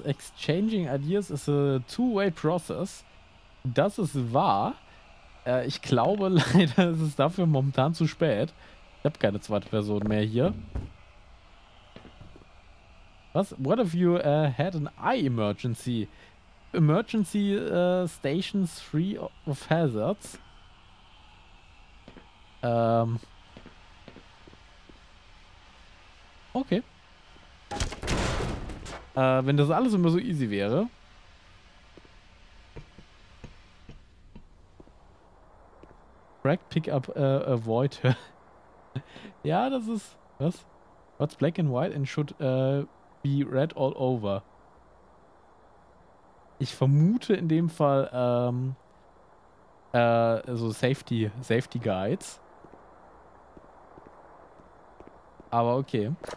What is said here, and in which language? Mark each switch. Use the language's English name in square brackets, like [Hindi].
[English] Exchanging ideas is a two-way process. [German] Das ist wahr. Ich glaube, leider ist es dafür momentan zu spät. Ich habe keine zweite Person mehr hier. Was? [English] What if you had an eye emergency? Emergency stations free of hazards. Okay. [German] Wenn das alles immer so easy wäre. [English] Crack pickup avoider. [German] Ja, das ist. Was? [English] What's black and white and should be red all over? [German] Ich vermute in dem Fall, so Safety Guides. Aber okay.